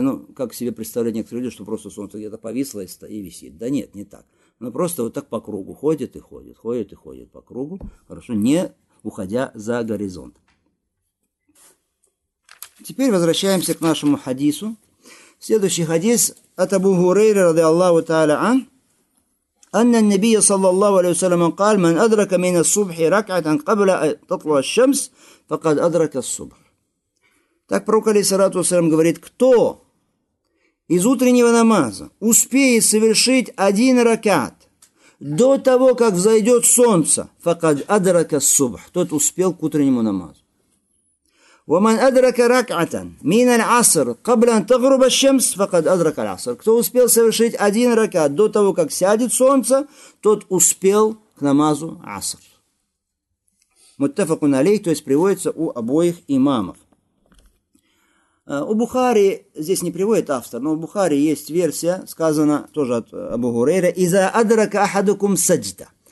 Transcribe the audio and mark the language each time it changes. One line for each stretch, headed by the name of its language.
Russian: Ну, как себе представляют некоторые люди, что просто солнце где-то повисло и висит. Да нет, не так. Оно просто вот так по кругу ходит по кругу, хорошо, не уходя за горизонт. Теперь возвращаемся к нашему хадису. Следующий хадис от Абу Хурейры, ради Аллаху Та'аля ан.
Arabic: أن النبي صلى الله عليه وسلم قال من أدرك من الصبح ركعة قبل تطلع الشمس فقد أدرك الصبح.
Russian: Так пророк алейхиссалату вассалям говорит, кто из утреннего намаза успеет совершить один ракат до того, как взойдет солнце,
Arabic: فقد أدرك الصبح,
Russian: тот успел к утреннему намазу.
Arabic: ومن أدرك ركعة من العصر قبل أن تغرب الشمس فقد أدرك العصر.
Russian: Кто успел совершить один ракат до того, как сядет солнце, тот успел к намазу аср. Муттафакун алейх, то есть приводится у обоих имамов. У Бухари здесь не приводит автор, но у Бухари есть версия, сказана тоже от Абу Хурейры:
Arabic: إذا أدرك أحدكم سجدة.